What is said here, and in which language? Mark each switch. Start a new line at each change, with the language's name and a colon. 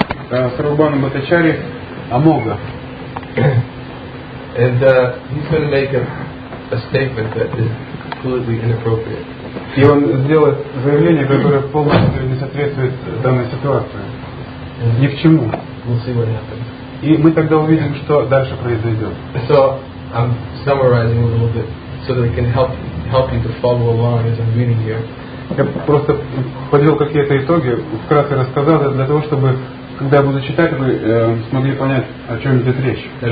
Russian: Сарвабхауму Бхаттачарье Амога.
English: And he's going to make a statement that is completely inappropriate.
Russian: И он сделает заявление, которое полностью не соответствует данной ситуации. Ни к чему.
English: We'll see what happens.
Russian: И мы тогда увидим, что дальше произойдет.
English: So I'm summarizing a little bit so that it can help you to follow along as I'm reading here.
Russian: Я просто подвел какие-то итоги, вкратце рассказал для того, чтобы когда я буду читать, вы смогли понять, о чем идет речь.